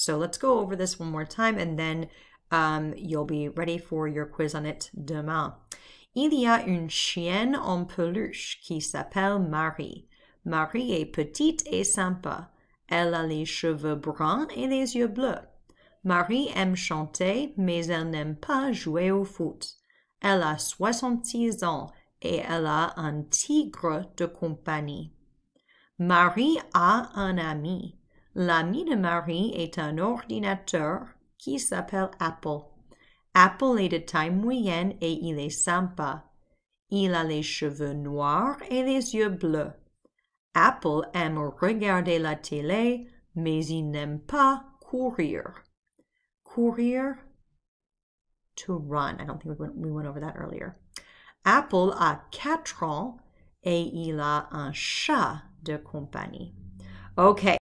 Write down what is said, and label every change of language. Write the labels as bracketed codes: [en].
[en] So let's go over this one more time and then you'll be ready for your quiz on it demain. [fr] Il y a une chienne en peluche qui s'appelle Marie. Marie est petite et sympa. Elle a les cheveux bruns et les yeux bleus. Marie aime chanter, mais elle n'aime pas jouer au foot. Elle a 66 ans et elle a un tigre de compagnie. Marie a un ami. L'ami de Marie est un ordinateur qui s'appelle Apple. Apple est de taille moyenne et il est sympa. Il a les cheveux noirs et les yeux bleus. Apple aime regarder la télé, mais il n'aime pas courir. Courir? [en] To run. I don't think we went over that earlier. [fr] Apple a 4 ans et il a un chat de compagnie. Okay.